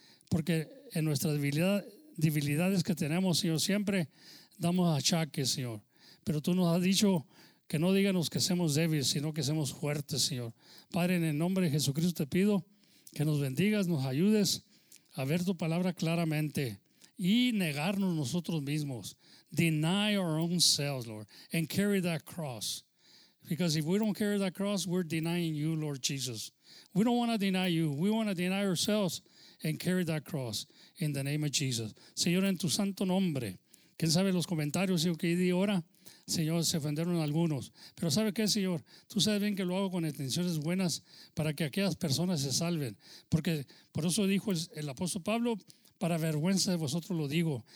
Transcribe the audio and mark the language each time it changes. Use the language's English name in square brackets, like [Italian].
[Spanish] Porque en nuestras debilidades que tenemos, Señor, siempre damos achaques, Señor. Pero tú nos has dicho que no díganos que seamos débiles, sino que seamos fuertes, Señor. Padre, en el nombre de Jesucristo te pido que nos bendigas, nos ayudes a ver tu palabra claramente y negarnos nosotros mismos. [English] Deny our own selves, Lord, and carry that cross. Because if we don't carry that cross, we're denying you, Lord Jesus. We don't want to deny you. We want to deny ourselves and carry that cross in the name of Jesus. [Spanish] Señor, en tu santo nombre, ¿quién sabe los comentarios y lo que di ahora? Señor, se ofendieron algunos. Pero ¿sabe qué, Señor? Tú sabes bien que lo hago con intenciones buenas para que aquellas personas se salven. Porque por eso dijo el apóstol Pablo, para vergüenza de vosotros lo digo.